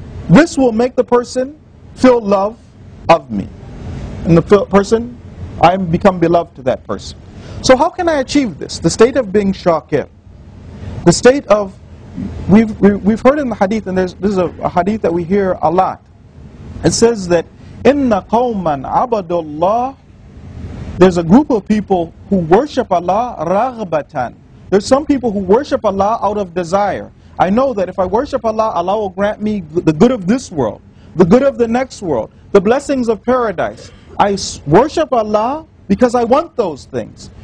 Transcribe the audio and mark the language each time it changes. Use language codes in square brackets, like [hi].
[en] This will make the person feel love of me. And the person, I become beloved to that person. So how can I achieve this? The state of being shakir. The state of, we've heard in the hadith, and this is a hadith that we hear a lot. It says that, [ar] إِنَّ قَوْمًا عَبَدُ اللَّهِ. [en] There's a group of people who worship Allah, [ar] رَغْبَةً. [en] There's some people who worship Allah out of desire. I know that if I worship Allah, Allah will grant me the good of this world, the good of the next world, the blessings of paradise. I worship Allah because I want those things.